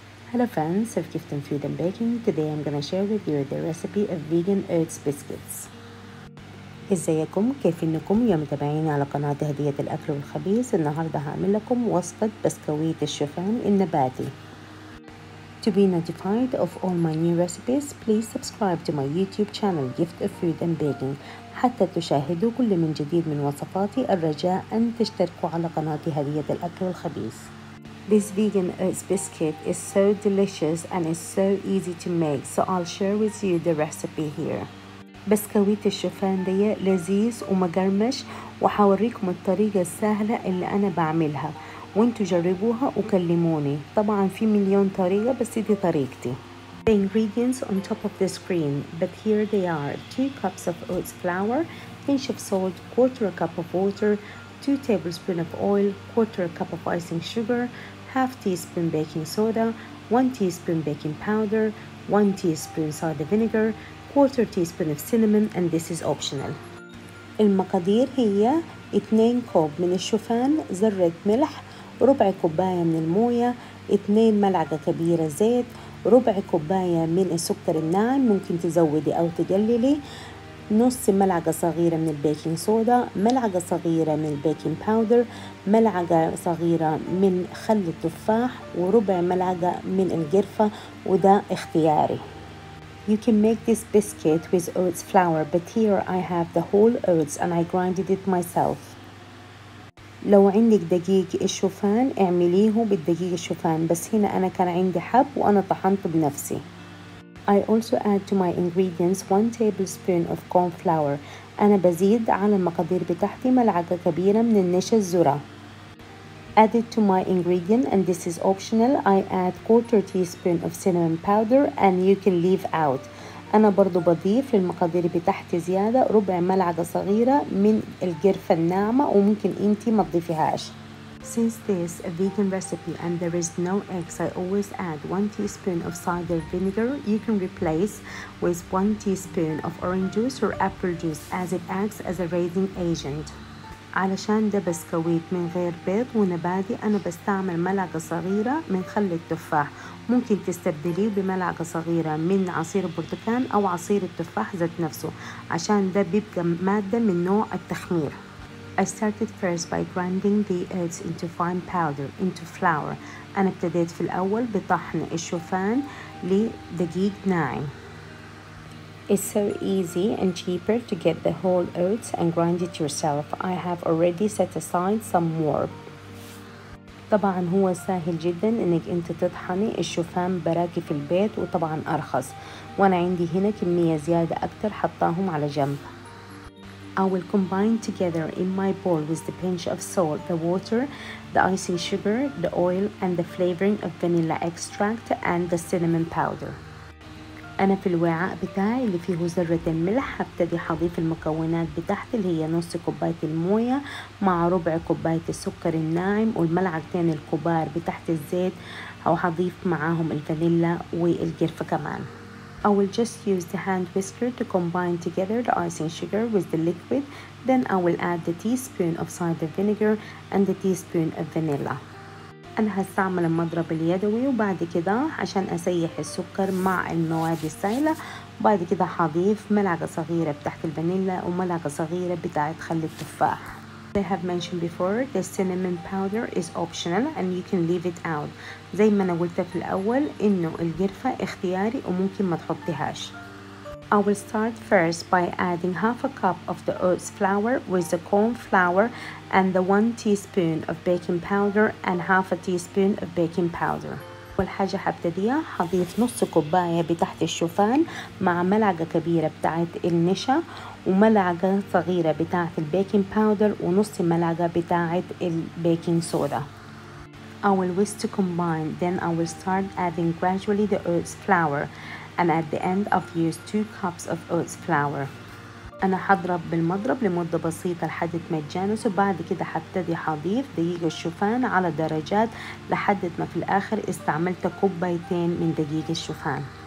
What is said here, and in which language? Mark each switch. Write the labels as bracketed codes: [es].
[en] Hello fans of Gift and Food and Baking. Today I'm going to share with you the recipe of vegan oats biscuits. [ar] ازيكم؟ كيف انكم يا متابعين على قناة هدية الاكل والخبيز؟ النهاردة هعمل لكم وصفة بسكويت الشوفان النباتي. [en] To be notified of all my new recipes, please subscribe to my YouTube channel Gift of Food and Baking. [ar] حتى تشاهدوا كل من جديد من وصفاتي الرجاء ان تشتركوا على قناة هدية الاكل والخبيز. [en] This vegan oats biscuit is so delicious and is so easy to make, so I'll share with you the recipe here. [ar] بسكويت الشوفان ده لذيذ ومقرمش وحوريكم الطريقة السهلة اللي أنا بعملها وانتوا جربوها وكلموني. طبعا في مليون طريقة بس دي طريقتي. [en] The ingredients on top of the screen, but here they are: 2 cups of oats flour, pinch of salt, 1/4 cup of water, 2 tablespoons of oil, 1/4 cup of icing sugar, 1/2 teaspoon baking soda, 1 teaspoon baking powder, 1 teaspoon cider vinegar, 1/4 teaspoon of cinnamon, and this is optional. [ar] المقادير هي 2 كوب من الشوفان، ذرة ملح، ربع كوباية من الموية، 2 ملعقة كبيرة زيت، ربع كوباية من السكر الناعم، ممكن تزودي أو تقللي، نص ملعقة صغيرة من البيكنج صودا، ملعقة صغيرة من البيكنج باودر، ملعقة صغيرة من خل التفاح، وربع ملعقة من القرفة، وده اختياري. [en] You can make this biscuit with oats flour, but here I have the whole oats and I grinded it myself. [ar] لو عندك دقيق الشوفان اعمليه بالدقيق الشوفان، بس هنا أنا كان عندي حب وأنا طحنته بنفسي. [en] I also add to my ingredients 1 tablespoon of corn flour. [ar] أنا بزيد على المقادير بتاعتي ملعقة كبيرة من النشا الذرة. [en] Add it to my ingredient and this is optional. I add 1/4 teaspoon of cinnamon powder and you can leave out. [ar] أنا برضو بضيف للمقادير بتاعتي زيادة ربع ملعقة صغيرة من القرفة الناعمة وممكن أنتي ما تضيفيهاش. [en] Since this is a vegan recipe and there is no eggs, I always add 1 teaspoon of cider vinegar. You can replace with 1 teaspoon of orange juice or apple juice as it acts as a raising agent. [ar] علشان ده بسكويت من غير بيض ونباتي، أنا بستعمل ملعقة صغيرة من خل التفاح. ممكن تستبدليه بملعقة صغيرة من عصير البرتقال أو عصير التفاح ذات نفسه، عشان ده بيبقى مادة من نوع التخمير. [en] I started first by grinding the oats into fine powder, into flour. [ar] أنا ابتديت في الأول بطحن الشوفان لدقيق ناعم. [en] It's so easy and cheaper to get the whole oats and grind it yourself. I have already set aside some more. [ar] طبعا هو سهل جدا انك انت تطحني الشوفان براكي في البيت وطبعا ارخص. وانا عندي هنا كمية زيادة اكتر حطاهم على جنب. [en] I will combine together in my bowl with the pinch of salt, the water, the icing sugar, the oil, and the flavoring of vanilla extract and the cinnamon powder. [ar] أنا في الوعاء بتاعي اللي فيه ذرة الملح هبتدي حضيف المكونات بتاعتي اللي هي نص كوباية الموية مع ربع كوباية السكر الناعم والملعقتين الكبار بتاعت الزيت، أو هضيف معاهم الفانيلا والقرفة كمان. [en] I will just use the hand whisker to combine together the icing sugar with the liquid. Then I will add the teaspoon of cider vinegar and the teaspoon of vanilla. [ar] أنا هستعمل المضرب اليدوي وبعد كده عشان أسيح السكر مع المواد السائلة، بعد كده هضيف ملعقة صغيرة بتاعت الفانيلا وملعقة صغيرة بتاعت خل التفاح. [en] They have mentioned before the cinnamon powder is optional and you can leave it out. [ar] زي ما أنا قلت في الأول إنه القرفة اختياري وممكن ما تحطيهاش. [en] I will start first by adding 1/2 cup of the oats flour with the corn flour and the 1 teaspoon of baking powder and 1/2 teaspoon of baking powder. [ar] أول حاجة هبتديها هضيف نص كوباية بتاعت الشوفان مع ملعقة كبيرة بتاعت النشا وملعقة صغيرة بتاعت البيكنج باودر ونص ملعقة بتاعت البيكنج صودا. [en] I will whisk to combine, then I will start adding gradually the oats flour and at the end of use 2 cups of oats flour. [ar] أنا هضرب بالمضرب لمدة بسيطة لحد ما يتجانس وبعد كده هبتدي هضيف دقيق الشوفان على درجات لحد ما في الآخر استعملت كوبايتين من دقيق الشوفان.